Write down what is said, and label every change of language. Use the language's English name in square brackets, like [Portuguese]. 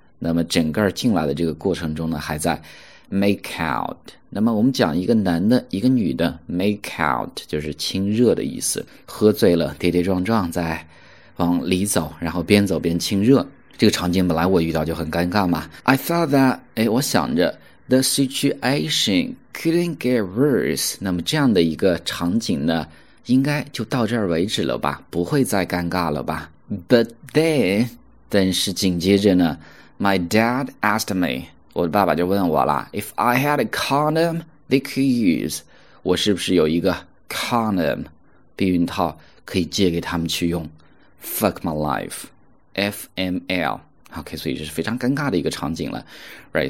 [Chinese] 那么整个进来的这个过程中呢，还在make out。那么我们讲一个男的，一个女的，make out 就是亲热的意思。喝醉了，跌跌撞撞在往里走，然后边走边亲热。这个场景本来我遇到就很尴尬嘛。 [English] I thought that， [Chinese] 哎，我想着， [English] the situation couldn't get worse。 [Chinese] 那么这样的一个场景呢，应该就到这儿为止了吧，不会再尴尬了吧。 [English] But then， [Chinese] 但是紧接着呢， [English] my dad asked me。 [Chinese] 我的爸爸就问我了： [English] “If I had a condom they could use， [Chinese] 我是不是有一个 condom 避孕套可以借给他们去用？” [English] Fuck my life，FML，OK，、okay, [Chinese] 所以这是非常尴尬的一个场景了， [English] right？